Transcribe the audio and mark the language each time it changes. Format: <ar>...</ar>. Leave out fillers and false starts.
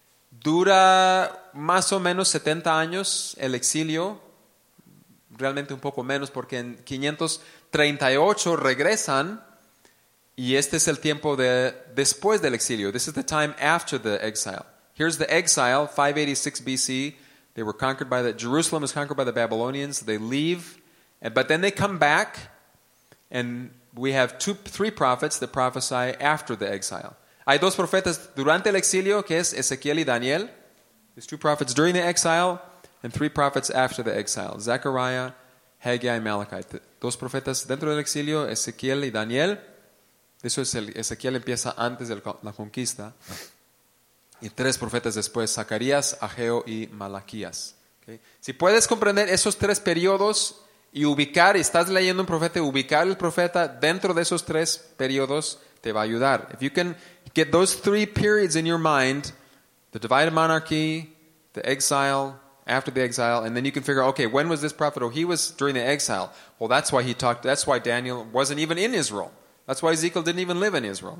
<es>Dura más o menos 70 años el exilio, realmente un poco menos, porque en 538 regresan y este es el tiempo de después del exilio.</es> <en>This is the time after the exile. Here's the exile, 586 BC. They were conquered by Jerusalem was conquered by the Babylonians. They leave, but then they come back, and we have three prophets that prophesy after the exile.</en> <es>Hay dos profetas durante el exilio, que es Ezequiel y Daniel.</es> <en>There's two prophets during the exile and three prophets after the exile.</en> <es>Zechariah, Haggai, Malachi. Dos profetas dentro del exilio, Ezequiel y Daniel. Eso es Ezequiel empieza antes de la conquista. Y tres profetas después, Zacarías, Ageo y Malaquías. Okay. Si puedes comprender esos tres periodos y ubicar, y estás leyendo un profeta, ubicar el profeta dentro de esos tres periodos te va a ayudar.</es> <en>If you can get those three periods in your mind, the divided monarchy, the exile, after the exile, and then you can figure, okay, when was this prophet? Oh, he was during the exile. Well, that's why he talked, that's why Daniel wasn't even in Israel. That's why Ezekiel didn't even live in Israel.</en>